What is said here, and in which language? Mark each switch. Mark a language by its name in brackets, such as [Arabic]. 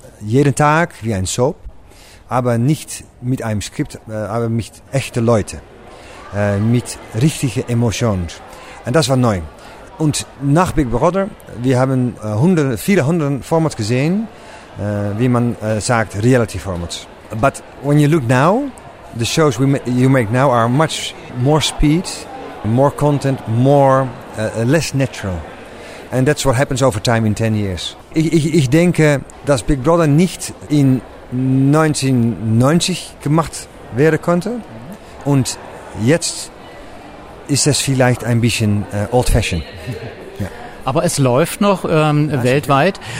[German] Jeden Tag wie ein Soap, aber nicht mit einem Skript, aber mit echten Leuten, mit richtigen Emotionen. Und das war neu. Und nach Big Brother, wir haben 400 Formate gesehen, wie man sagt, [English] reality formats. But when you look now, the shows you make now are much more speed, more content, more less natural. And that's what happens over time in 10 years. [German] Ich denke, dass Big Brother nicht in 1990 gemacht werden konnte. Und jetzt ist es vielleicht ein bisschen old-fashioned. Aber es läuft noch weltweit.